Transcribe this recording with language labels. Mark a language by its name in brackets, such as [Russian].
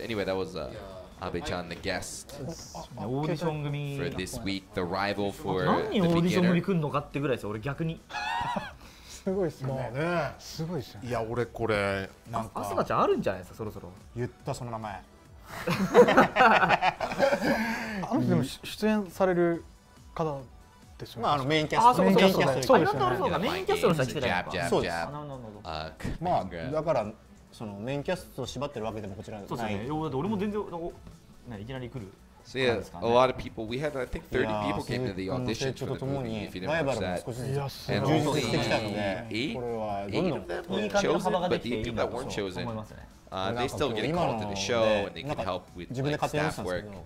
[English] Anyway, that was Abe-chan, the guest for this week, the rival for the beginner. [Japanese] すごいですね。ね、すごいですね。いや、俺これなんか朝ちゃんあるんじゃないですか、そろそろ。言ったその名前。あの人でも出演される方ですよね。まあメインキャスト。メインキャスト。そうですね。メインキャストの人来てるから。そうです。まあだからそのメインキャストを縛ってるわけでもこちらないそうですね。俺も全然ね、いきなり来る。 [English] So yeah, a lot of people, we had I think 30 people came to the audition for the movie, if you didn't watch that. And only 8 of them were chosen, but the 8 people that weren't chosen, they still get called to the show and they can help with like, staff work.